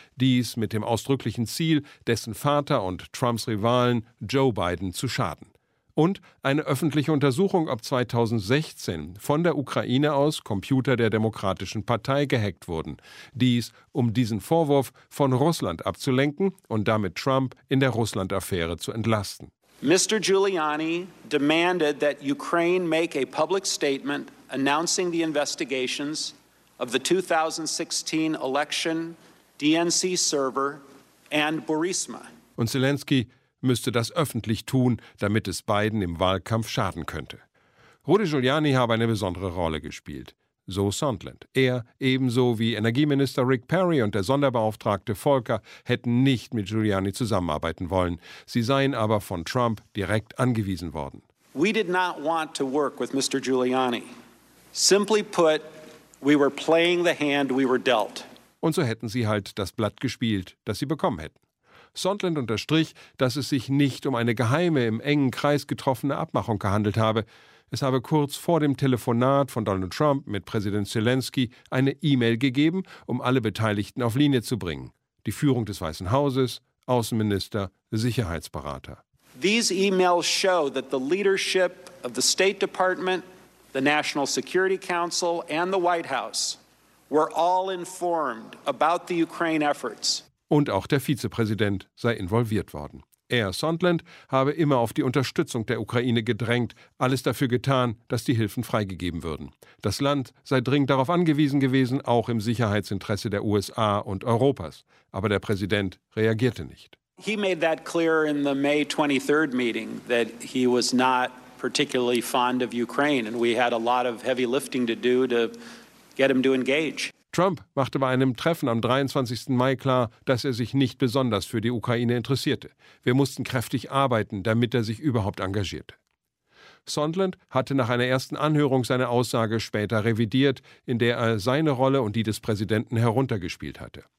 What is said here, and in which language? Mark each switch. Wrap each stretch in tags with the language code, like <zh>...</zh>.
<de>Dies mit dem ausdrücklichen Ziel, dessen Vater und Trumps Rivalen Joe Biden zu schaden. Und eine öffentliche Untersuchung, ob 2016 von der Ukraine aus Computer der Demokratischen Partei gehackt wurden. Dies, um diesen Vorwurf von Russland abzulenken und damit Trump in der Russland-Affäre zu entlasten.</de> <en>Mr. Giuliani demanded that Ukraine make a public statement announcing the investigations of the 2016 election DNC server and Burisma.</en> <de>Und Zelensky müsste das öffentlich tun, damit es Biden im Wahlkampf schaden könnte. Rudy Giuliani habe eine besondere Rolle gespielt, so Sondland. Er, ebenso wie Energieminister Rick Perry und der Sonderbeauftragte Volker, hätten nicht mit Giuliani zusammenarbeiten wollen. Sie seien aber von Trump direkt angewiesen worden.</de> <en>We did not want to work with Mr. Giuliani. Simply put, we were playing the hand we were dealt.</en> <de>Und so hätten sie halt das Blatt gespielt, das sie bekommen hätten. Sondland unterstrich, dass es sich nicht um eine geheime, im engen Kreis getroffene Abmachung gehandelt habe. Es habe kurz vor dem Telefonat von Donald Trump mit Präsident Zelensky eine E-Mail gegeben, um alle Beteiligten auf Linie zu bringen. Die Führung des Weißen Hauses, Außenminister, Sicherheitsberater.</de> <en>These emails show that the leadership of the State Department, the National Security Council and the White House were all informed about the Ukraine efforts.</en> <de>Und auch der Vizepräsident sei involviert worden. Er, Sondland, habe immer auf die Unterstützung der Ukraine gedrängt, alles dafür getan, dass die Hilfen freigegeben würden. Das Land sei dringend darauf angewiesen gewesen, auch im Sicherheitsinteresse der USA und Europas. Aber der Präsident reagierte nicht.</de> <en>He made that clear in the May 23rd meeting that he was not particularly fond of Ukraine and we had a lot of heavy lifting to do to get him to engage.</en> <de>Trump machte bei einem Treffen am 23. Mai klar, dass er sich nicht besonders für die Ukraine interessierte. Wir mussten kräftig arbeiten, damit er sich überhaupt engagierte. Sondland hatte nach einer ersten Anhörung seine Aussage später revidiert, in der er seine Rolle und die des Präsidenten heruntergespielt hatte.</de>